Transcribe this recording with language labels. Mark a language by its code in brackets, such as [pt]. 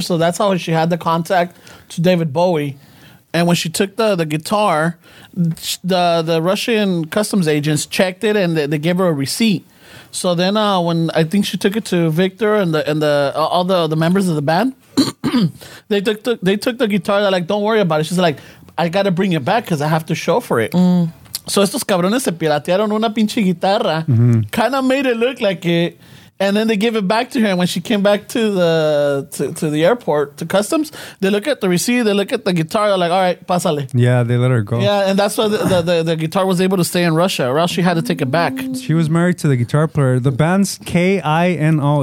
[en] So that's how she had the contact to David Bowie. And when she took the guitar, the Russian customs agents checked it, and they gave her a receipt. So then when I think she took it to Victor and all the members of the band, they took the guitar. They're like, don't worry about it. She's like, I got to bring it back because I have to show for it. Mm. [es] So estos cabrones se piratearon una pinche guitarra. [en] Mm-hmm. Kind of made it look like it. And then they give it back to her. And when she came back to the airport, to customs, they look at the receipt, they look at the guitar, they're like, all right, pásale. Yeah, they let her go. Yeah, and that's why the guitar was able to stay in Russia, or else she had to take it back. She was married to the guitar player. The band's K-I-N-O.